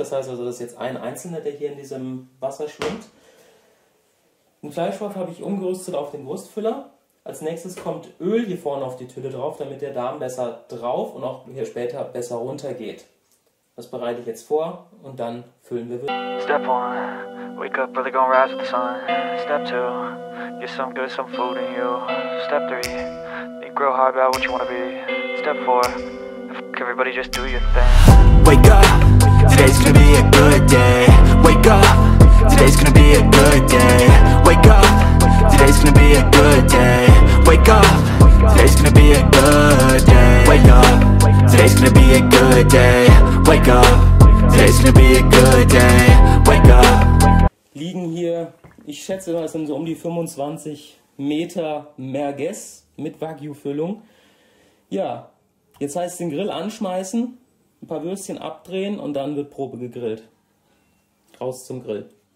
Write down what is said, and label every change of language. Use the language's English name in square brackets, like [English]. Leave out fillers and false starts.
[German] Das heißt also, das ist jetzt ein Einzelner, der hier in diesem Wasser schwimmt. Den Fleischwolf habe ich umgerüstet auf den Wurstfüller. Als nächstes kommt Öl hier vorne auf die Tülle drauf, damit der Darm besser drauf und auch hier später besser runter geht. Das bereite ich jetzt vor und dann füllen wir Würste. [English] Step 1, wake up, really gonna rise with the sun. Step 2, get some good, some food in you. Step 3, think grow hard about what you wanna be. Step 4, fuck everybody, just do your thing. Wake up, today's gonna be a good day. Wake up. Today's gonna be a good day. Wake up. Today's gonna be a good day. Wake up. Today's gonna be a good day. Wake up. Today's gonna be a good day. Wake up. Today's gonna be a good day. Wake up. [German] Liegen hier, ich schätze mal, es sind so um die 25 Meter Merguez mit Wagyu-Füllung. Ja, jetzt heißt es den Grill anschmeißen, ein paar Würstchen abdrehen und dann wird Probe gegrillt. Raus zum Grill.